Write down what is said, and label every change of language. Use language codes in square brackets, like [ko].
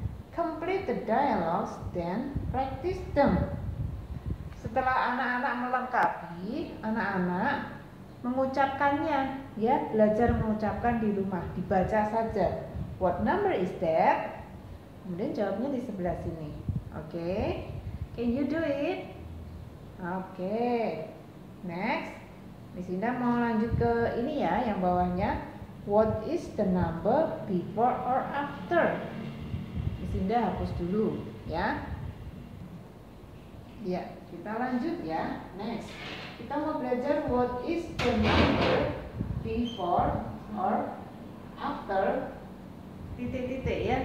[en] Complete the dialogues, then practice them. [id] Setelah anak-anak melengkapi, anak-anak mengucapkannya, ya, belajar mengucapkan di rumah, dibaca saja. [en] What number is that? [id] Kemudian jawabnya di sebelah sini. [en] Oke, okay. Can you do it? Oke, okay. Next. [id] Miss Inda mau lanjut ke ini ya, yang bawahnya. [en] What is the number before or after? [id] Sinda hapus dulu, ya. Ya, kita lanjut ya. Next, kita mau belajar [en] what is the number before or after [id] titik-titik ya.